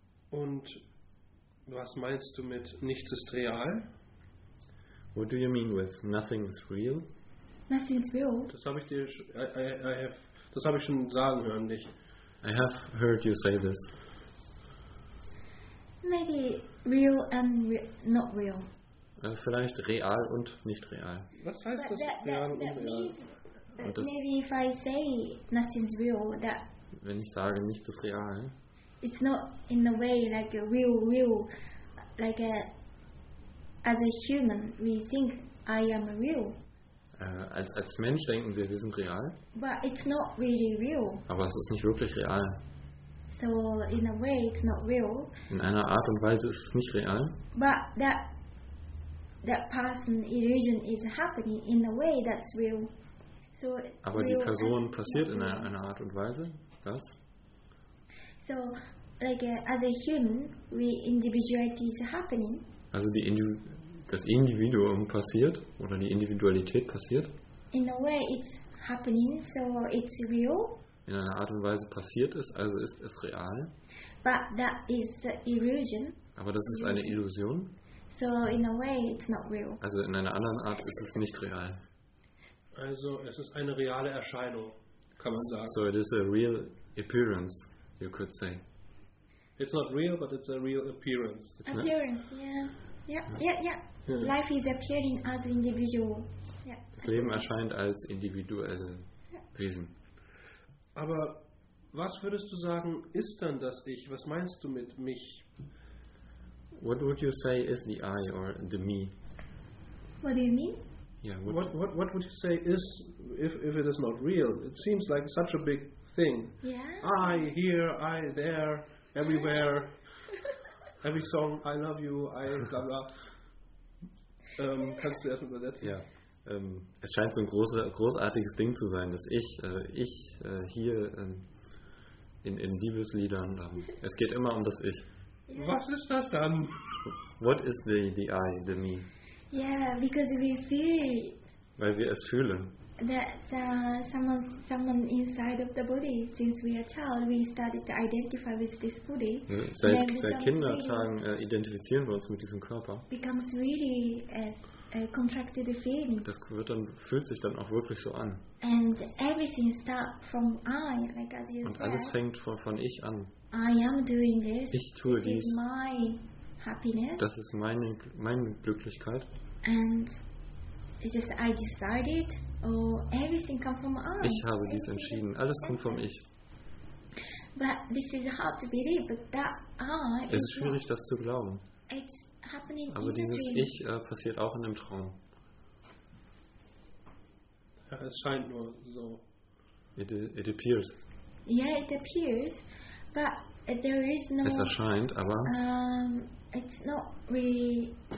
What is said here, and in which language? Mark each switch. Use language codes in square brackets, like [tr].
[de] Und was meinst du mit nichts ist real? [en] What do you mean with nothing is real? Nothing is real. [de] Das habe ich dir, das habe ich schon sagen hören dich. [en] I have heard you say this. Maybe real and not real. [de] Vielleicht real und nicht real. Was heißt das, real und unreal? [en] Maybe if I say nothing is real, that. [de] Wenn ich sage, nichts ist real. [en] It's not in a way like a real, like a. As a human, we think I am real. [de] Als Mensch denken wir sind real. [en] But it's not really real. [de] Aber es ist nicht wirklich real. [en] So in a way, it's not real. [de] In einer Art und Weise ist es nicht real. [en] But that person illusion is happening in a way that's real. So. [de] Aber real die Person passiert in einer Art und Weise, das. [en] So, like as a human, we individuality is happening. [de] Also das Individuum passiert oder die Individualität passiert. [en] In a way it's happening, so it's real. [de] In einer Art und Weise passiert es, also ist es real. [en] But that is illusion. [de] Aber das ist eine Illusion. [en] So in a way it's not real. [de] Also in einer anderen Art ist es nicht real. Also es ist eine reale Erscheinung, kann man sagen. [en] So it is a real appearance, you could say. It's not real, but it's a real appearance. It's appearance, yeah. Life is appearing as individual. Yeah. [de] Das Leben erscheint als individuelle Wesen. Aber was würdest du sagen, ist dann das Ich? Was meinst du mit mich? [en] What would you say is the I or the me? What do you mean? What would you say is, if it is not real? It seems like such a big thing. Yeah. I here, I there. Everywhere, every song, I love you, I blah blah. [de] Kannst du erstmal übersetzen? Ja, es scheint so ein großartiges Ding zu sein, dass ich hier in Liebesliedern, es geht immer um das Ich. Was ist das dann? [en] What is the I, the me? Yeah, because we feel. [de] Weil wir es fühlen. [en] That someone inside of the body. Since we are child, we started to identify with this body. [de] Seit Kindertagen identifizieren wir uns mit diesem Körper. [en] Becomes really a contracted feeling. [de] Das fühlt sich dann auch wirklich so an. [en] And everything starts from I, like as you said. [de] Und alles fängt von ich an. [en] I am doing this. [de] Ich tue dies. [en] This is my happiness. [de] Das ist meine Glücklichkeit. [en] And it's just I decided. Oh, everything comes from I. [de] Ich habe dies entschieden. Alles kommt vom Ich. [en] But this is hard to believe, but that I. [de] Es ist schwierig, das zu glauben. [en] It's happening. [de] Aber dieses Ich passiert auch in einem Traum. Ja, es scheint nur so. [en] It appears. Yeah, it appears, but there is no. [de] Es erscheint, aber. [en] It's not really.